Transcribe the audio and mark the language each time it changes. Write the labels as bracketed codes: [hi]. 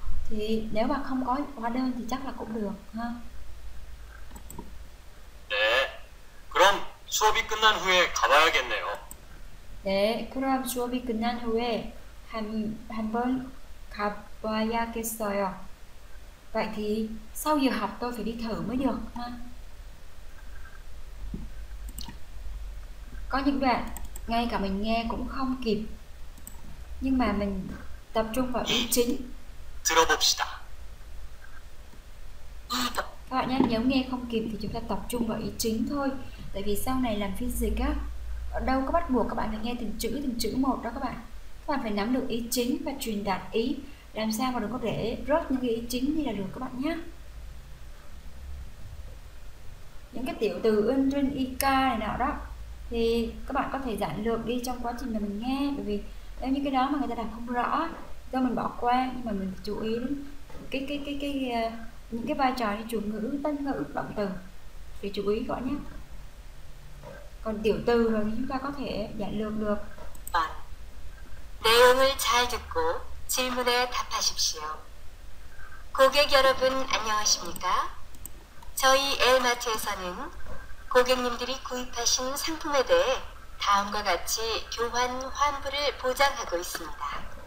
[vi] Thì nếu mà không có hóa đơn thì chắc là cũng được ha. [ko] 네. 그럼 수업이 끝난 후에 가봐야겠네요. 네, 그럼 수업이 끝난 후에 한번 가봐야겠어요. [vi] Vậy thì sau giờ học tôi phải đi thử mới được ha. Có những đoạn ngay cả mình nghe cũng không kịp. Nhưng mà mình tập trung vào ý chính. [ko] 들어봅시다. [vi] Các bạn nhé, nếu nghe không kịp thì chúng ta tập trung vào ý chính thôi. Tại vì sau này làm phiên dịch á, đâu có bắt buộc các bạn phải nghe từng chữ một đó các bạn. Các bạn phải nắm được ý chính và truyền đạt ý. Làm sao mà đừng có để rớt những cái ý chính đi là được các bạn nhé. Những cái tiểu từ ưng trên ika này nọ đó thì các bạn có thể giản lược đi trong quá trình mà mình nghe. Bởi vì nếu như cái đó mà người ta đọc không rõ do mình bỏ qua, nhưng mà mình chú ý đến những cái vai trò như chủ ngữ, tân ngữ, động từ thì chú ý gọi nhé. còn tiểu từ rồi thì chúng ta có thể giản lược được. [ko] 내용을 잘 듣고 질문에 답하십시오. 고객 여러분, 안녕하십니까? 저희 엘마트에서는 고객님들이 구입하신 상품에 대해 다음과 같이 교환 환불을 보장하고 있습니다.